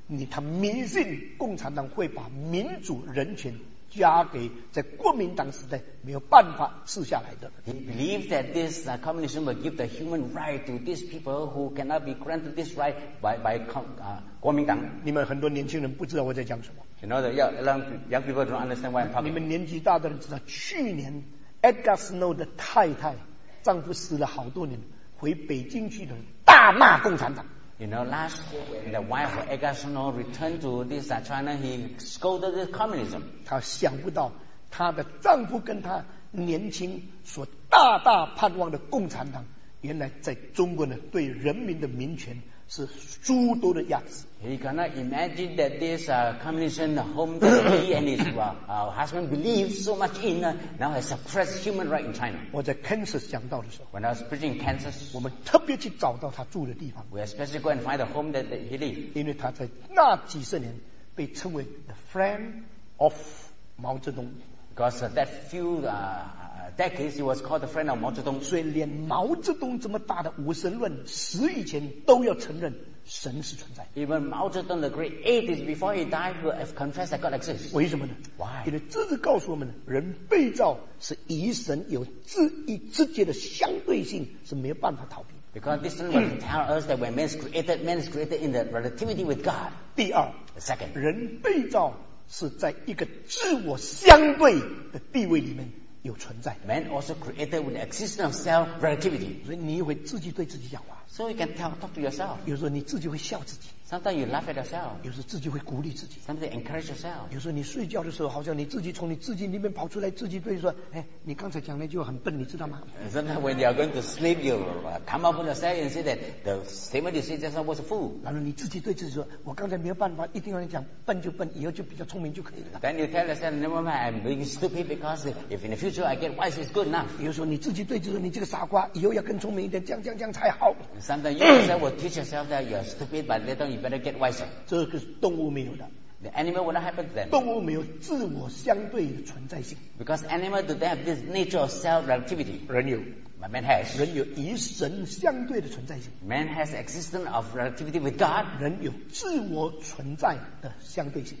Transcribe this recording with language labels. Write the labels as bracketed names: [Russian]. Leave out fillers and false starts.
[Chinese] 他迷信共产党会把民主人权加给在国民党时代没有办法赐下来的。 [English] He believed that this communism will give the human right to these people who cannot be granted this right by 国民党。 [Chinese] 你们很多年轻人不知道我在讲什么。 [English] You know that young people don't understand why I'm talking. [Chinese] 你们年纪大的人知道，去年 Edgar Snow 的太太。丈夫死了好多年，回北京去的，大骂共产党。 [English] You know, last year the wife of Edgar Snow returned to this China, he scolded the communism. [Chinese] 她想不到她的丈夫跟她年轻所大大盼望的共产党，原来在中国呢，对人民的民权是诸多的压制。 [English] He cannot imagine that this communism, the home that he and his husband believed so much in, now has suppressed human rights in China. [Chinese] 我在 Kansas 讲道的时候 [English] ，When I was preaching in Kansas， [Chinese] 我们特别去找到他住的地方。 [English] We especially go and find the home that he lived， [Chinese] 因为他在那几十年被称为 [English] the friend of [Chinese] 毛泽东。 [English] Because that few decades he was called the friend of Mao Zedong. [Chinese] 所以连毛泽东这么大的无神论，死以前都要承认神是存在。 [English] Even Mao Zedong, the great atheist, before he died, will have confessed that God exists. [Chinese] 为什么呢 [English] ？Why？ [Chinese] 因为这是告诉我们，人被造是与神有自一直接的相对性，是没有办法逃避。 [English] Because this one will tell us that when man is created in the relativity with God. [Chinese] 第二, [English] the second, [Chinese] 人被造是在一个自我相对的地位里面有存在。 [English] Man also created with the existence of self relativity. [Chinese] 所以你会自己对自己讲话。 [English] So you can talk to yourself. [Chinese] 有时候你自己会笑自己。 [English] Sometimes you laugh at yourself. [Chinese] 有时候自己会鼓励自己。 [English] Sometimes you encourage yourself. [Chinese] 有时候你睡觉的时候，好像你自己从你自己里面跑出来，自己对说：“哎，你刚才讲那句话很笨，你知道吗？” [English] Sometimes when you are going to sleep, you come up with yourself and say that the statement you said just now was a fool. [Chinese] 然后你自己对自己说：“我刚才没有办法，一定要你讲笨就笨，以后就比较聪明就可以了。” [English] Then you tell yourself, "Never mind, I'm being stupid because if in the future I get wise, it's good enough." [Chinese] 有时候你自己对自己说：“你这个傻瓜，以后要更聪明一点，这样才好。” [English] Sometimes you yourself will teach yourself that you're stupid, but later you better get wiser. [Chinese] 这个是动物没有的。 [English] The animal will not happen to them. [Chinese] 动物没有自我相对的存在性。 [English] Because animals do they have this nature of self-relativity. [Chinese] 人有。 [English] But man has. [Chinese] 人有与神相对的存在性。 [English] Man has existence of relativity with God. [Chinese] 人有自我存在的相对性。